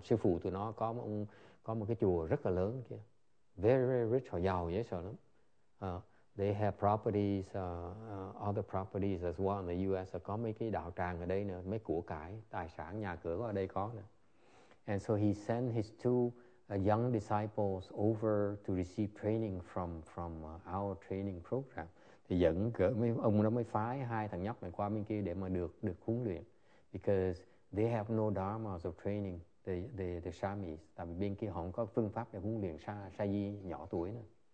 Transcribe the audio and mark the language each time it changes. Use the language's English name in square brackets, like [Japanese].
[Vietnamese] Sư phụ tụi nó có một cái chùa rất là lớn kia, [English] very very rich, [Vietnamese] họ giàu dễ sợ lắm. [English] They have properties, other properties as well in the U.S. [Vietnamese] Có mấy cái đạo tràng ở đây nữa, mấy của cải, tài sản, nhà cửa ở đây có nữa. [English] And so he sent his two young disciples over to receive training from our training program. [Vietnamese] Thì dẫn cỡ mấy ông đó mới phái hai thằng nhóc này qua bên kia để mà được huấn luyện. [English] Because they have no dharmas of training, the Shamis. [Vietnamese] Tại vì bên kia họ không có phương pháp để huấn luyện Sayi nhỏ tuổi nữa.